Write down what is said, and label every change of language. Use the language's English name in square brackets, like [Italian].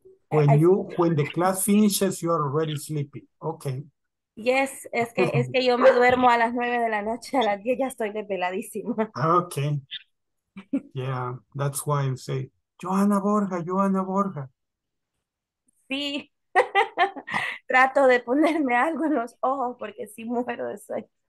[English] When you, when the class finishes, you are already sleeping. Okay. [Spanish] Yes, es que yo me duermo a las 9 de la noche, a las 10 ya estoy desveladísima. [English] Okay. Yeah, that's why I say, Joana Borja, Joana Borja. [Spanish] Sí. Trato de ponerme algo en los ojos porque sí muero de sueño.